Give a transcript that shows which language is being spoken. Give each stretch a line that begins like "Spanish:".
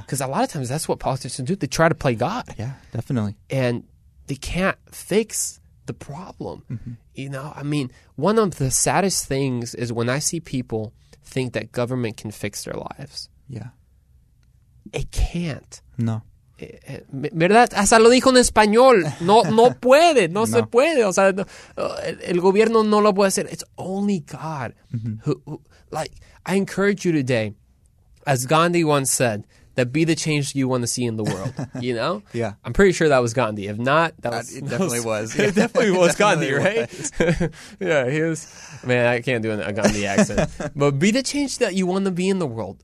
English: Because a lot of times that's what politicians do. They try to play God. Yeah, definitely. And they can't fix the problem. Mm-hmm. You know, I mean, one of the saddest things is when I see people think that government can fix their lives. Yeah. It can't. No.
Spanish: ¿Verdad? Hasta lo dijo en español. No puede. No se puede. O sea, no, el gobierno no lo puede hacer.
English: It's only God. Mm-hmm. Who, like, I encourage you today, as Gandhi once said, that be the change you want to see in the world. You know? Yeah. I'm pretty sure that was Gandhi. If not, that was. Yeah. It definitely was Gandhi, right? Yeah, he was. Man, I can't do a Gandhi accent. But be the change that you want to be in the world.